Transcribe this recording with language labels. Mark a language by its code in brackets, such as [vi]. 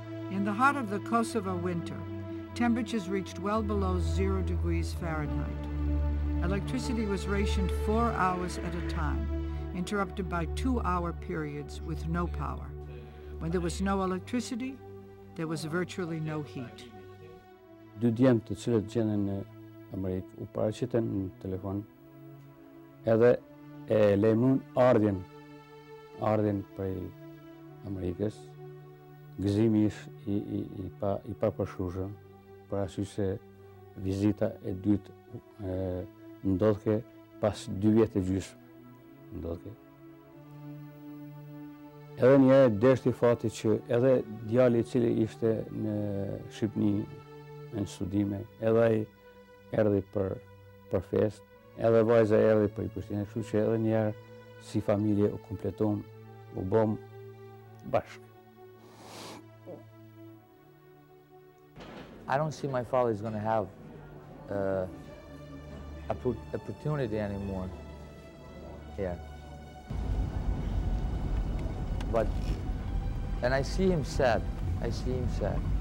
[en] In the heart of the Kosovo winter, temperatures reached well below 0 degrees Fahrenheit. Electricity was rationed 4 hours at a time, interrupted by 2-hour periods with no power. When there was no electricity, there was virtually no heat. [sq] Dy djemë të cilët gjenden në Amerikë u paraqiten në telefon, edhe e lejmërun ardhjen prej Amerikës. Gëzimi i papërshtueshëm, për arsye se vizita e dytë ndodhte pas 2 vjetë gjysmë. Ndodhte. Edhe një herë deshti fati që edhe djali i cili ishte në Shqipni në studime, edhe ai erdhi për festë, edhe vajza erdhi për Prishtinë, kështu që edhe një herë si familje u kompletuam, u bëm bashkë. [en] I don't see my father is going to have opportunity anymore here. But And I see him sad. I see him sad.